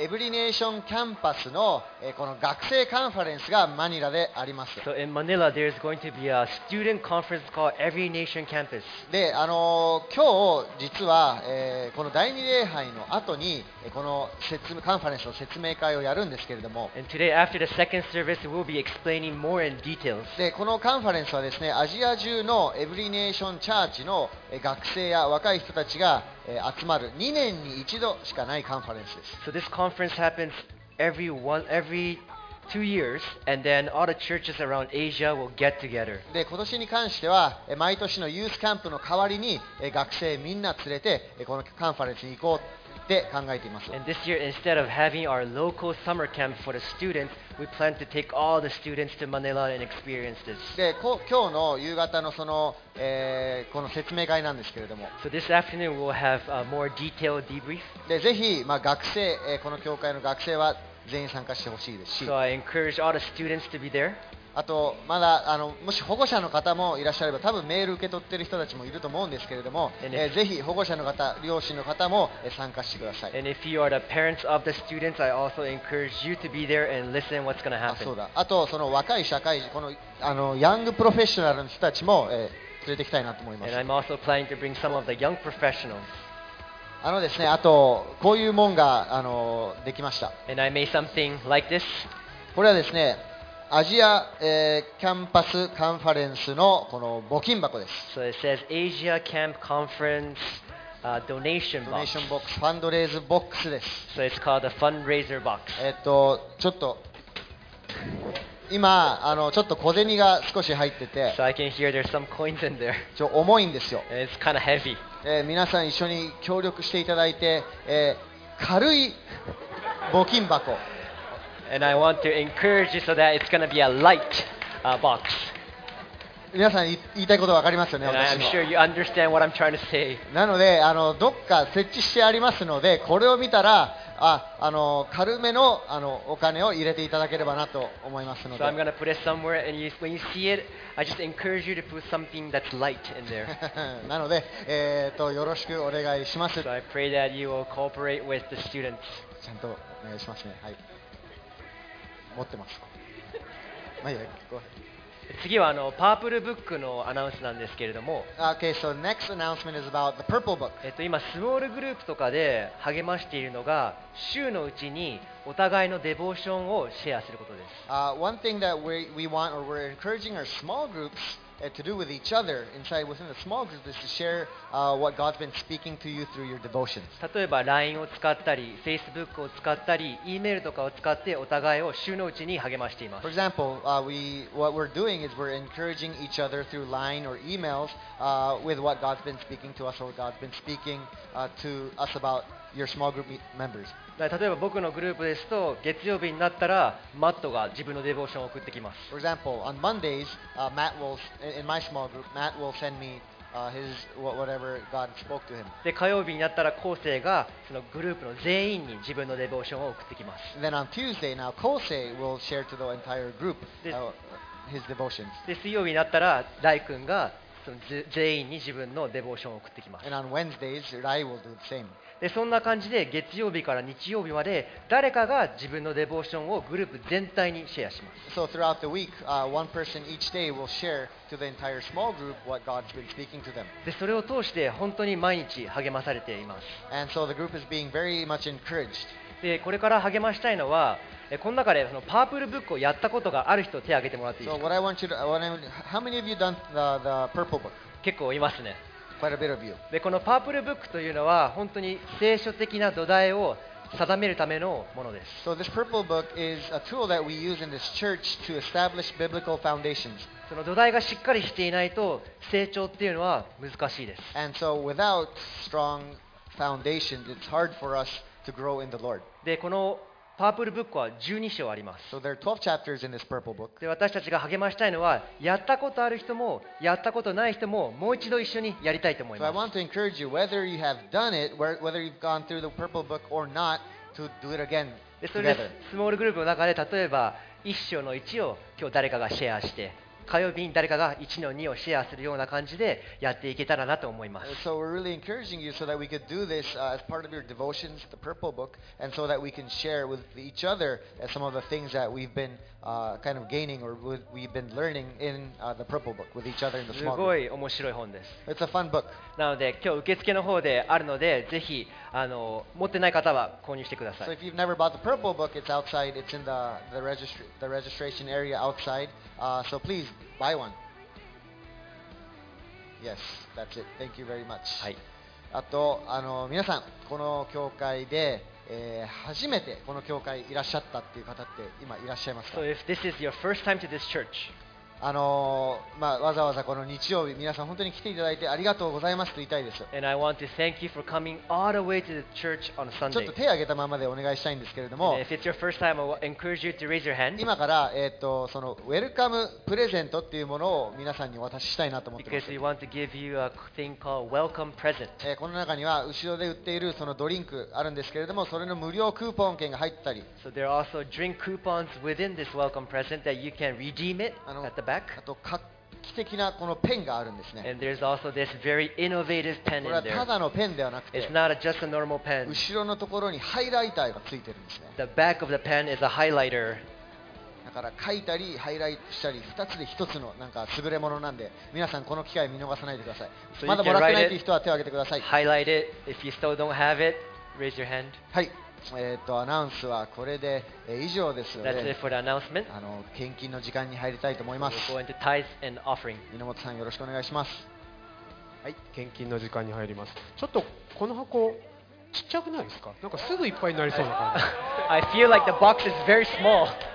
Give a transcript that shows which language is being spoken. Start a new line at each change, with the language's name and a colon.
Japanese: エブリネーションキャンパスの、この学生カンファレンスがマニラであります。
English: So、in Manila, there is going to be a student conference called Every Nation Campus.
Japanese: で、今日実は、この第二礼拝の後に、このカンファレンスの説明会をやるんですけれども、
English: and today, after the second service, we'll be explaining more in details.
Japanese: で、このカンファレンスはですね、アジア中のエブリネーションチャーチの学生や若い人たちが集まる2年に一度しかないカンファレンスです。
English: So this conference happens every two years, and then all the churches around Asia will get together.
Japanese: で、今年に関しては毎年のユースキャンプの代わりに学生みんな連れてこのカンファレンスに行こうって考えています。
English: And this year, instead of having our local summer camp for the students,We plan to take all the students to Manila and experience this.
Japanese: で、今日の夕方のその、この説明会なんですけれども。
English: So this afternoon we'll have a more detailed debrief.
Japanese: で、ぜひ、まあ、学生、この教会の学生は全員参加してほしいですし。
English: So I encourage all the students to be there.
Japanese: あとまだもし保護者の方もいらっしゃれば多分メール受け取ってる人たちもいると思うんですけれども、ぜひ保護者の方両親の方も参加してください。
English: And if you are the parents of the students, I also encourage you to be there and listen what's going to happen.
Japanese: そうだ。あとその若い社会人このヤングプロフェッショナルの人たちも、連れてきたいなと思います。
English: And I'm also planning to bring some of the young professionals
Japanese: ですね、あとこういうもんができました。
English: And I made something like this.
Japanese: これはですねアジア、キャンパスカンファレンスのこの募金箱です。
English: So it says Asia Camp Conference donation box. Donation box, fundraiser box
Japanese: です。
English: So it's called a fundraiser box.
Japanese: ちょっと今ちょっと小銭が少し入ってて、
English: So I can hear there's some coins in there.
Japanese: ちょっと重いんですよ。
English: And it's kind of heavy.
Japanese: 皆さん一緒に協力していただいて、軽い募金箱。
English: And I want to encourage you so that it's going to be a light box.
Japanese: 皆さん言いたいこと分かりますよね。
English: And I'm sure you understand what I'm trying to say.
Japanese: なのでどっか設置してありますので、これを見たら軽めのお金を入れていただければなと思いますので。
English: So I'm going to put it somewhere, and when you see it, I just encourage you to put something that's light in there.
Japanese: なので、よろしくお願いします。
English: So I pray that you will cooperate with the students.
Japanese: ちゃんとお願いしますね。はい。持ってます。まあいいや、ごめん。次はパープルブックのアナウンスなんですけれども。
English: Okay, so next announcement is about the purple book.
Japanese: 今スモールグループとかで励ましているのが週のうちにお互いのデボーションをシェアすることです。
English: One thing that we want or we're encouraging our small groups to do with each other inside within the small group is to share what God's been speaking to you through your devotions.
Japanese: 例えば LINE を使ったり、Facebook を使ったり、E-mail とかを使ってお互いを週のうちに励ましています。
English: For example, what we're doing is we're encouraging each other through LINE or emails with what God's been speaking to us or God's been speaking to us about your small group members.
Japanese: 例えば僕のグループですと月曜日になったらマットが自分のデボーションを送ってきます。
English: For example, on Mondays, Matt will, in my small group, Matt will send me his whatever God spoke to him.
Japanese: で火曜日になったら後世がそのグループの全員に自分のデボーションを送ってきます。
English: Then on Tuesday, now 後世 will share to the entire group his devotions.
Japanese: で水曜日になったらライ君がその全員に自分のデボーションを送ってきます。
English: And on Wednesdays, Rai will do the same.
Japanese: でそんな感じで月曜日から日曜日まで誰かが自分のデボーションをグループ全体にシェアします。
English: So throughout the week, one person each day will share to the entire small group what God's been speaking to them.
Japanese: でそれを通して本当に毎日励まされています。
English: And so the group is being very much encouraged.
Japanese: でこれから励ましたいのはこの中でそのパープルブックをやったことがある人手を挙げてもらっていいですか。
English: So what I want you to, how many of you done the purple book?
Japanese: 結構いますね。
English: Quite a bit of you.
Japanese: でこのパープルブックというのは本当に聖書的な土台を定めるためのものです。
English: So this purple book is a tool that we use in this church to establish biblical foundations.
Japanese: その土台がしっかりしていないと成長っていうのは難しいです。
English: And so without strong foundations, it's hard for us to grow in the Lord.
Japanese: でこのパープルブックは12章あります。
English: So there are 12 chapters in this purple book.
Japanese: で私たちが励ましたいのは、やったことある人もやったことない人ももう一度一緒にやりたいと思います。
English: So I want to encourage you, whether you have done it, whether you've gone through the purple book or not, to do it again together.
Japanese: でそれでスモールグループの中で例えば1章の1を今日誰かがシェアして、火曜日に誰かが1の2をシェアするような感じでやっていけたらなと思います。
English: So we're really encouraging you so that we could do this as part of your devotions, the purple book, and so that we can share with each other some of the things that we've been kind of gaining or we've been learning in the purple book with each other in the small group.
Japanese: すごい面白い本です。
English: It's a fun book.
Japanese: なので今日受付の方であるので、ぜひ持ってない方は購入してください。
English: So if you've never bought the purple book, it's outside. It's in the registration area outside. So please. Buy one. Yes, that's it. Thank you very much.
Japanese: はい。あと皆さんこの教会で、初めてこの教会いらっしゃったっていう方って今いらっしゃいますか。
English: So if this is your first time to this church,
Japanese: わざわざこの日曜日皆さん本当に来ていただいてありがとうございますと言いたいです。
English: And I want to thank you for coming all the way to the church on Sunday.
Japanese: ちょっと手を挙げたままでお願いしたいんですけれども。
English: And if it's your first time, I encourage you to raise your hand.
Japanese: 今からそのウェルカムプレゼントっていうものを皆さんにお渡ししたいなと思ってます。
English: Because we want to give you a thing called welcome present.
Japanese: この中には後ろで売っているそのドリンクあるんですけれども、それの無料クーポン券が入ったり。
English: So there are also drink coupons within this welcome present that you can redeem it at the back.
Japanese: あと素敵なこのペンがあるんですね。
English: And there's also this very innovative pen in there.
Japanese: これはただのペンではなくて、
English: It's not just a normal pen.
Japanese: 後ろのところにハイライターがついてるんですね。
English: The back of the pen is a highlighter.
Japanese: だから書いたりハイライトしたり、2つで1つのなんか優れものなんで、皆さんこの機会見逃さないでください。
English: So、
Japanese: まだもらってないという人は手を挙げてください。
English: Highlight it. If you still don't have it, raise your hand.
Japanese: はい。アナウンスはこれで、以上ですので、
English: That's it for the announcement.
Japanese: 献金の時間に入りたいと思います。
English: We'll go into tithes and offering.
Japanese: 猪本さんよろしくお願いします。はい、献金の時間に入ります。ちょっとこの箱ちっちゃくないですか？なんかすぐいっぱいになりそうな感じ。
English: I feel like the box is very small.